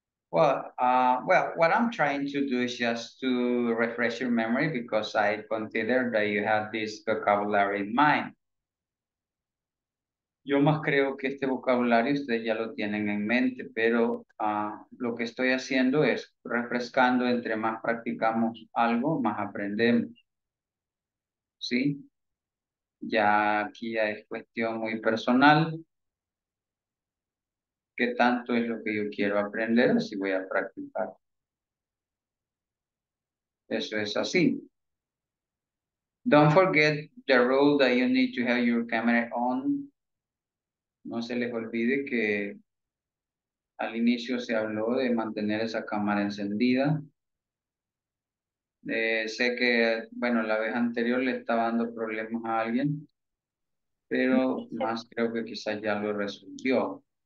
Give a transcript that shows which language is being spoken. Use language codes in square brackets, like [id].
[en] Well, what I'm trying to do is just to refresh your memory because I consider that you have this vocabulary in mind. [es] Yo más creo que este vocabulario ustedes ya lo tienen en mente, pero lo que estoy haciendo es refrescando. Entre más practicamos algo, más aprendemos. ¿Sí? Ya aquí ya es cuestión muy personal. ¿Qué tanto es lo que yo quiero aprender? Así voy a practicar. Eso es así. [en] Don't forget the rule that you need to have your camera on. [es] No se les olvide que al inicio se habló de mantener esa cámara encendida. Sé que, bueno, la vez anterior le estaba dando problemas a alguien, pero más creo que quizás ya lo resolvió.